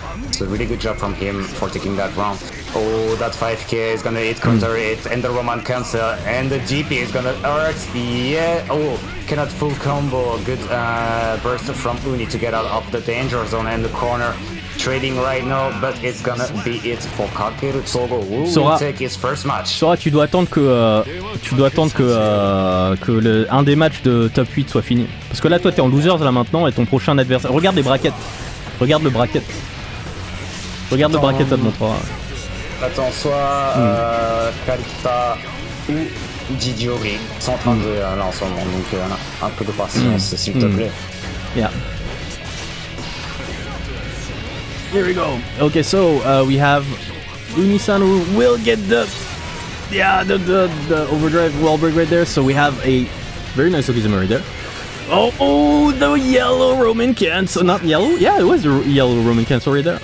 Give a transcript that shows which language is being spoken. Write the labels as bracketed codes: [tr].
[en] So really good job from him for taking that round. Oh, that 5k is gonna hit counter it, and the Roman cancel, and the DP is gonna hurt. Yeah, oh, cannot full combo. Good burst from Uni to get out of the danger zone and the corner. Trading right now, but it's gonna be it for Kakeru Togo. Will take his first match. [fr] Sora, tu dois attendre que un des matchs de top 8 soit fini. Parce que là, toi, t'es en losers là maintenant, et ton prochain adversaire. Regarde les brackets. Regarde le bracket. Regarde le bracket là de mon 3. Attends, soit Kalta ou Didiori sont en train de là en ce moment. Donc, un peu de patience, s'il te plaît. [en] Yeah. Here we go. Okay, so we have Uni-san who will get the overdrive wall break right there. So we have a very nice Okizuma right there. Oh, the yellow Roman cancel. Not yellow? Yeah, it was the yellow Roman cancel right there.